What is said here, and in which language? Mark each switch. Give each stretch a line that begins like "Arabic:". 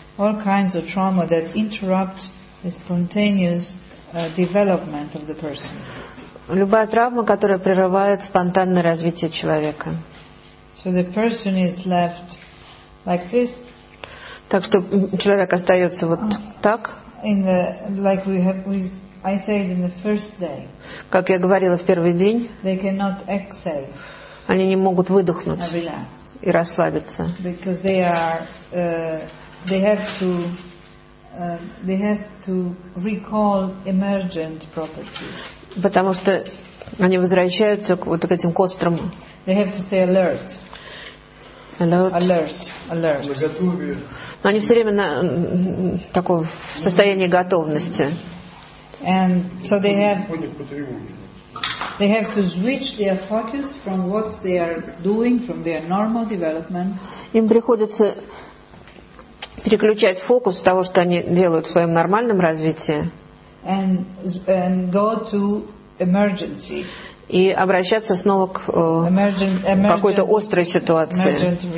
English: All kinds of trauma that interrupt the spontaneous development of the person.
Russian: Любая травма, которая прерывает спонтанное развитие человека.
English: So the person is left like this.
Russian: Так что человек остается вот так.
English: In the like we have, we, I said in the first day.
Russian: Как я говорила в первый день.
English: They cannot exhale.
Russian: Они не могут выдохнуть.
English: And relax.
Russian: И расслабиться.
English: Because they are, they have to recall emergent properties.
Russian: Потому что они возвращаются к вот к этим кострам.
English: They have to stay alert. Alert.
Russian: Но они все время на такой в состоянии готовности.
English: And so they have to switch their focus from what they are doing, from their normal development.
Russian: Им приходится переключать фокус того, что они делают в своем нормальном развитии.
English: And go to emergency.
Russian: И обращаться снова к какой-то острой ситуации.